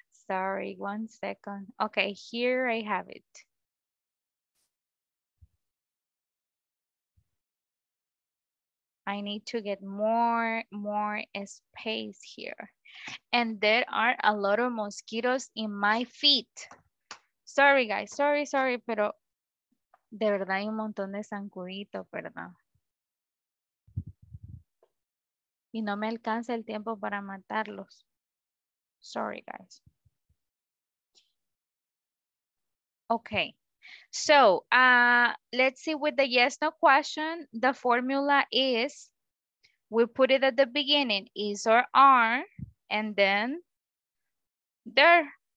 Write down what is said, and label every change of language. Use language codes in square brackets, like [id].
[en] Sorry, one second. Okay, here I have it. I need to get more space here. And there are a lot of mosquitoes in my feet. Sorry, guys. [es] Sorry, pero de verdad hay un montón de zancuditos, ¿verdad? Y no me alcanza el tiempo para matarlos. [en] Sorry, guys. Okay, so let's see with the yes, no question. The formula is, we put it at the beginning, is or are, and then there.